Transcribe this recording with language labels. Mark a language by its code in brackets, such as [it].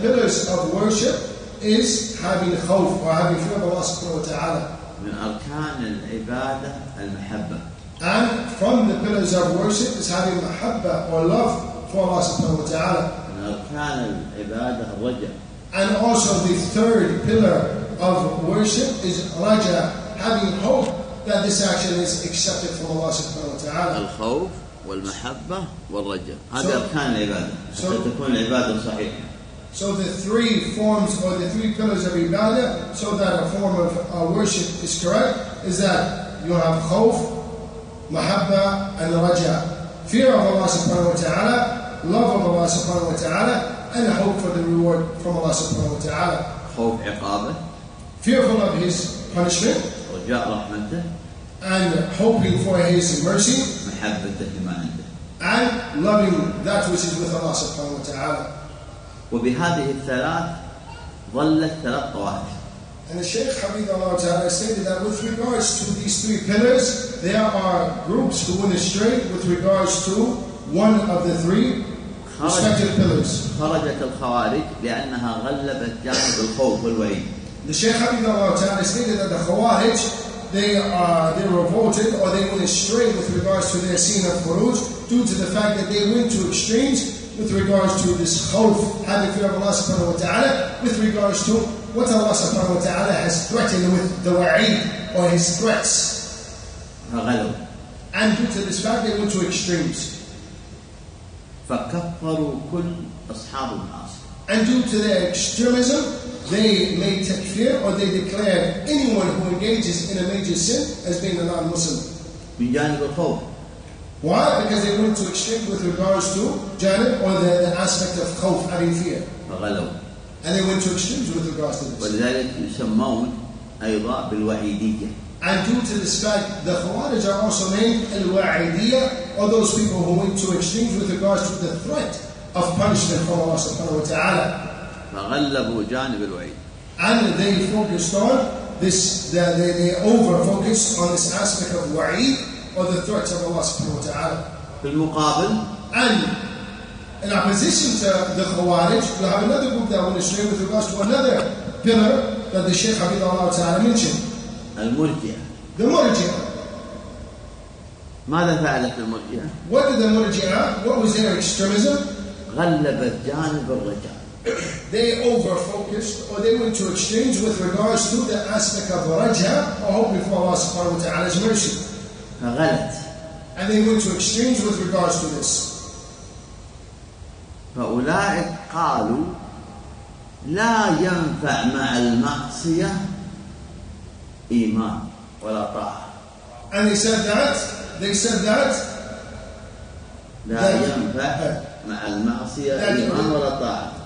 [en] pillars of worship, is having khawf or having fear of Allah subhanahu wa ta'ala. [ar] من أركان العبادة المحبة. [en] And from the pillars of worship is having mahabba or love for Allah subhanahu wa ta'ala. [ar] من أركان العبادة الرجاء. [en] And also the third pillar of worship is رجاء, having hope that this action is accepted from Allah subhanahu wa ta'ala. [ar] الخوف والمحبة والرجاء. هذه أركان العبادة. ستكون العبادة صحيحة. [en] So the three forms or the three pillars of ibadah, so that a form of worship is correct, is that you have khawf, mahabba, and raja. Fear of Allah subhanahu wa ta'ala, love of Allah subhanahu wa ta'ala, and hope for the reward from Allah subhanahu wa ta'ala. [ar] Khawf iqabah. [en] Fearful of his punishment. [ar] Raja rahmatah. [en] And hoping for his mercy. [ar] Mahabbatah himanah. [en] And loving that which is with Allah subhanahu wa ta'ala. [ar] وبهذه الثلاث ظلت ثلاث طوائف. [en] And the Shaykh Hafidhullah Ta'ala stated that with regards to these three pillars, there are groups who went astray with regards to one of the three respective pillars. [ar] خرجت الخوارج لأنها غلبت جانب الخوف والوعيد. [en] The Shaykh Hafidhullah Ta'ala stated that the Khawarij, they revolted or they went astray with regards to their scene of Khuruj due to the fact that they went to extremes with regards to this khawf, having fear of Allah subhanahu wa ta'ala, with regards to what Allah subhanahu wa ta'ala has threatened with the wa'id or his threats. [ar] غلو. [en] And due to this fact, they went to extremes. [ar] فكفروا كل أصحاب المعاصي. [en] And due to their extremism, they made takfir or they declared anyone who engages in a major sin as being a non-Muslim. [ar] من جانب الخوف. [en] Why? Because they went to extreme with regards to janib or the aspect of khawf, having fear. [ar] فغلو. [en] And they went to extremes with regards to this. [ar] ولذلك يسمون أيضا بالوعيدية. [en] And due to this fact, the Khawarij are also named al-wa'idiyya, or those people who went to extremes with regards to the threat of punishment from Allah subhanahu wa ta'ala. [ar] فغلبوا جانب الوعيد. [en] And they focused on this, they over-focused on this aspect of wa'id, or the threats of Allah subhanahu wa ta'ala. [ar] في المقابل. [en] And in opposition to the Khawarij, we have another group that went astray with regards to another pillar that the Shaykh Hafidhullah Ta'ala mentioned. [ar] المرجئة. [en] The Murji'ah. [ar] ماذا فعلت المرجئة؟ [en] What did the Murji'ah, what was their extremism? [ar] غلبت جانب الرجاء. [en] They over-focused or they went to extremes with regards to the aspect of Raja, or hoping for Allah subhanahu wa ta'ala's mercy. [ar] فغلت. [en] And they went to extremes with regards to this. [ar] فأولئك قالوا لا ينفع مع المعصية إيمان ولا طاعة. [en] And they said that they said that [ar] لا ينفع مع المعصية إيمان ولا طاعة.